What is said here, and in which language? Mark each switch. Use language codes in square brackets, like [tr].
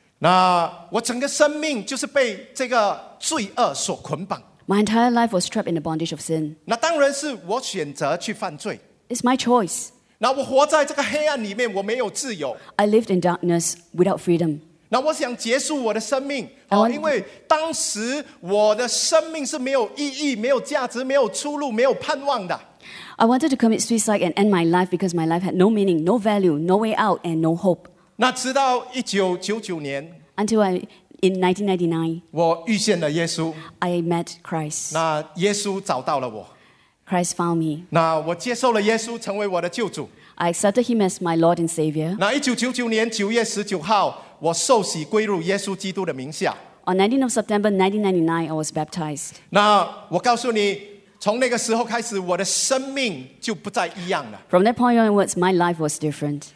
[zh] 那我整个生命就是被这个罪恶所捆绑。 [en] My entire life was trapped in the bondage of sin. [zh] 那当然是我选择去犯罪。 [en] It's my choice. [zh] 那我活在这个黑暗里面，我没有自由。 [en] I lived in darkness without freedom. [zh] 那我想结束我的生命, 因为当时我的生命是没有意义、没有价值、没有出路、没有盼望的。 [en] I wanted to commit suicide and end my life because my life had no meaning, no value, no way out, and no hope. [zh] 那直到1999年, [en] Until in 1999, [zh] 我遇见了耶稣, [en] I met Christ. [zh] 那耶稣找到了我, [en] Christ found me. [zh] 那我接受了耶稣, 成为我的救主。 [en] I accepted Him as my Lord and Savior. [zh] 那1999年9月19号, 我受洗归入耶稣基督的名下。 [en] On 19th of September 1999, I was baptized. [zh] 那我告诉你, 从那个时候开始, 我的生命就不再一样了。 [en] From that point onwards, my life was different.